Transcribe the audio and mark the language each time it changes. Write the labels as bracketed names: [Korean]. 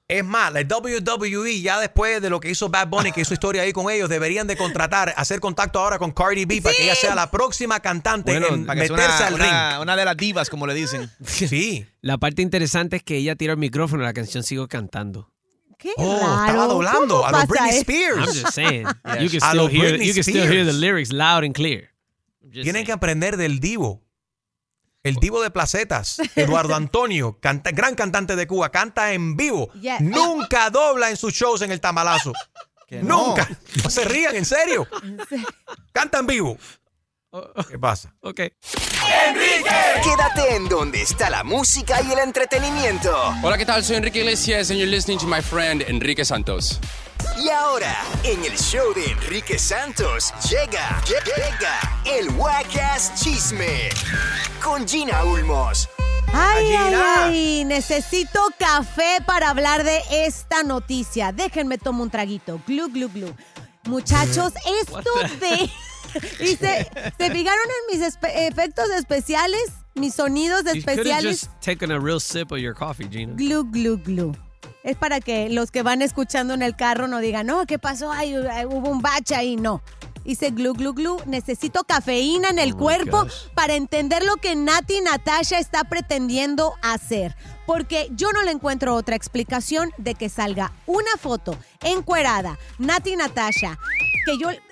[Spanish] Es más, la WWE, ya después de lo que hizo Bad Bunny, que hizo historia ahí con ellos, deberían de contratar, hacer contacto ahora con Cardi B para que ella sea la próxima cantante en meterse al ring. Una de las divas, como le dicen. Sí. La parte interesante es que ella tira el micrófono y la canción sigue cantando. Qué raro. Estaba doblando a los Britney Spears. [English] I'm just saying. Yes. You can still hear the lyrics loud and clear. [Spanish] Tienen que aprender del Divo. El Divo de Placetas, Eduardo Antonio, gran cantante de Cuba, canta en vivo. Yes. Nunca dobla en sus shows en el tamalazo. Nunca. No se rían, en serio. Canta en vivo. ¿Qué pasa? Ok. ¡Enrique! Quédate en donde está la música y el entretenimiento. Hola, ¿qué tal? Soy [English] Enrique Iglesias and you're listening to my friend Enrique Santos. [Spanish] Y ahora, en el show de Enrique Santos, llega el Wackass Chisme con Gina Ulmos. ¡Ay, ay, ay! Necesito café para hablar de esta noticia. Déjenme tomar un traguito. Glu, glu, glu. Muchachos, esto de... Y se fijaron en mis efectos especiales, mis sonidos especiales. [English] You could have just taken a real sip of your coffee, Gina. [Spanish] Glu, glu, glu. Es para que los que van escuchando en el carro no digan, no, ¿qué pasó? Ay, hubo un bache ahí. No. Hice glu, glu, glu. Necesito cafeína en el cuerpo para entender lo que Nati Natasha está pretendiendo hacer. Porque yo no le encuentro otra explicación de que salga una foto encuerada, Nati Natasha, que yo...